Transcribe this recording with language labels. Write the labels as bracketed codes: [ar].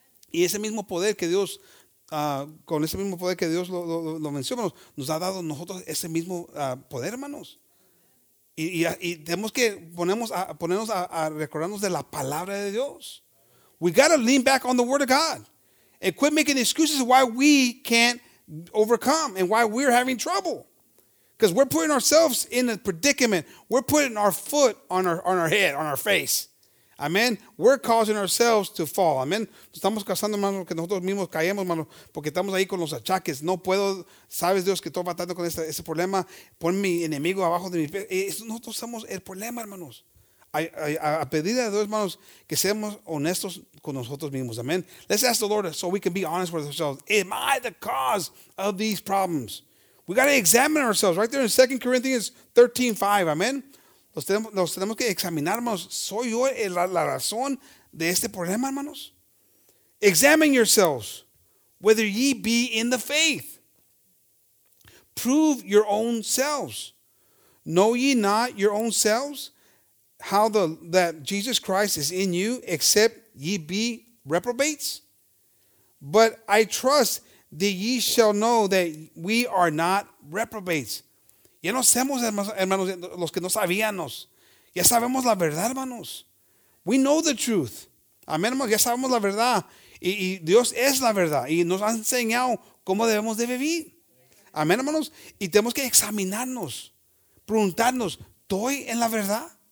[es] Y ese mismo poder que Dios, con ese mismo poder que Dios lo venció, hermanos, nos ha dado nosotros ese mismo poder, hermanos. Y tenemos que ponernos a recordarnos de la palabra de Dios. [en] We got to lean back on the word of God. And quit making excuses why we can't overcome and why we're having trouble. Because we're putting ourselves in a predicament. We're putting our foot on our head, on our face. Amen. We're causing ourselves to fall. Amen. Estamos causando, hermano, que nosotros mismos caemos, hermano, porque estamos ahí con los achaques. No puedo, sabes, Dios, que estoy batallando con ese problema. Pon mi enemigo abajo de mi pie. Nosotros somos el problema, hermanos. A pedir a Dios, hermanos, que seamos honestos con nosotros mismos. Amen. Let's ask the Lord so we can be honest with ourselves. Am I the cause of these problems? We got to examine ourselves right there in 2 Corinthians 13:5. [es] Amen. Nos tenemos que examinar, hermanos. ¿Soy yo la razón de este problema, hermanos? [en] Examine yourselves whether ye be in the faith. Prove your own selves. Know ye not your own selves how that Jesus Christ is in you, except ye be reprobates? But I trust that ye shall know that we are not reprobates. [es] Ya no somos, hermanos, los que no sabíamos. Ya sabemos la verdad, hermanos. [en] We know the truth. [es] Amén, hermanos, ya sabemos la verdad. Y Dios es la verdad. Y nos ha enseñado cómo debemos de vivir. Amén, hermanos. Y tenemos que examinarnos, preguntarnos, ¿estoy en la verdad?